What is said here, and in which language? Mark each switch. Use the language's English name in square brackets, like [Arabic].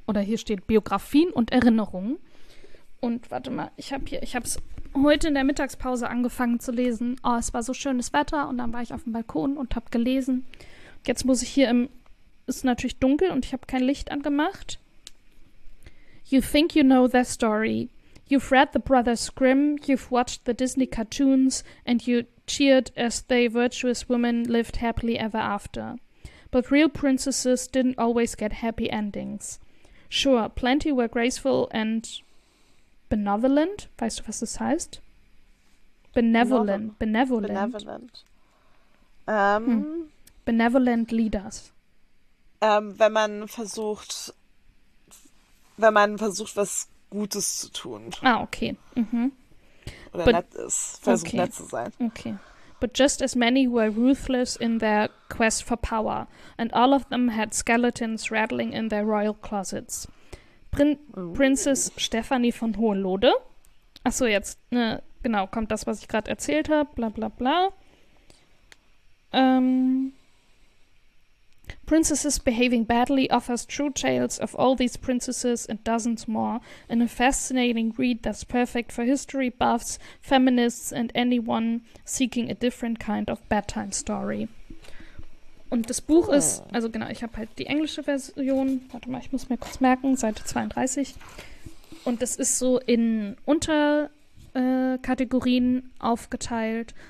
[German] Oder hier steht Biografien und Erinnerungen. Und warte mal, ich habe es heute in der Mittagspause angefangen zu lesen. Oh, es war so schönes Wetter und dann war ich auf dem Balkon und habe gelesen. Jetzt muss ich hier im. Es ist natürlich dunkel und ich habe kein Licht angemacht. [English] You think you know their story. You've read the Brothers Grimm, you've watched the Disney cartoons, and you cheered as they virtuous women lived happily ever after. But real princesses didn't always get happy endings. Sure, plenty were graceful and benevolent. [German] Weißt du, was das heißt? Benevolent, benevolent. Benevolent. [English] Benevolent leaders. [German] Wenn man versucht, was Gutes zu tun. Ah, okay. Oder nett ist, versucht nett zu sein. [English] But just as many were ruthless in their quest for power, and all of them had skeletons rattling in their royal closets. Princess Stephanie von Hohenlohe. [German] Achso, jetzt, ne, genau, kommt das, was ich gerade erzählt habe, bla bla bla. [English] Princesses behaving badly offers true tales of all these princesses and dozens more in a fascinating read that's perfect for history buffs, feminists and anyone seeking a different kind of bedtime story. [German] Und das Buch ist, also genau, ich habe halt die englische Version, warte mal, ich muss mir kurz merken, Seite 32. Und das ist so in Unterkategorien aufgeteilt.